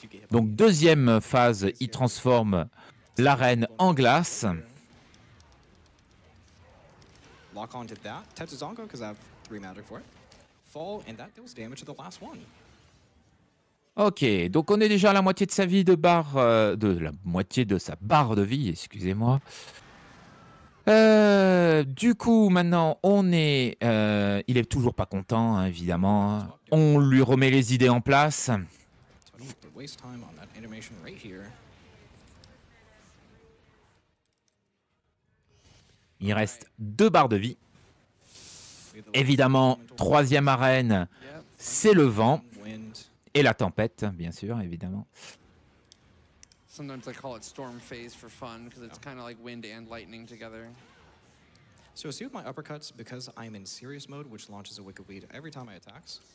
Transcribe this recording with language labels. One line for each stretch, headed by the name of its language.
French: Donc deuxième phase, il transforme l'arène en glace.
English: Lock onto that Tetsuzonko because I have 3 magic for it. Fall and that deals damage to the last one.
French: Ok, donc on est déjà à la moitié de sa vie de barre, de la moitié de sa barre de vie, excusez-moi. Du coup, maintenant, il est toujours pas content, hein, évidemment. On lui remet les idées en place.
English: So I don't want to waste time on that animation right here.
French: Il reste 2 barres de vie. Évidemment, troisième arène, c'est le vent et la tempête, bien sûr, évidemment.
English: Sometimes I call it storm phase for fun because it's kind of like wind and lightning together. So I see with my uppercuts because I'm in serious mode, which launches a wicked weed every time I attack.